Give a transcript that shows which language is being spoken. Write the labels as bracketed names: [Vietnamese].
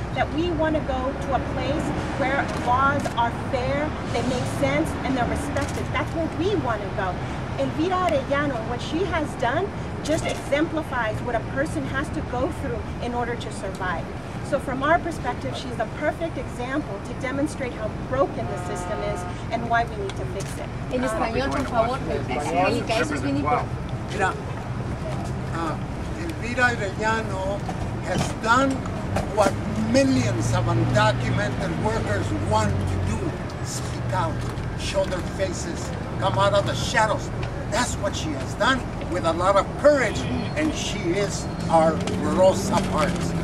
[English] That we want to go to a place where laws are fair, they make sense, and they're respected. That's where we want to go. Elvira Arellano, what she has done, just exemplifies what a person has to go through in order to survive. So from our perspective, she's the perfect example to demonstrate how broken the system is and why we need to fix it. [Spanish] En español, por favor, explica, eso es bien importante. [English] Elvira Arellano has done what millions of undocumented workers want to do, speak out, show their faces, come out of the shadows. That's what she has done with a lot of courage, and she is our Rosa Parks.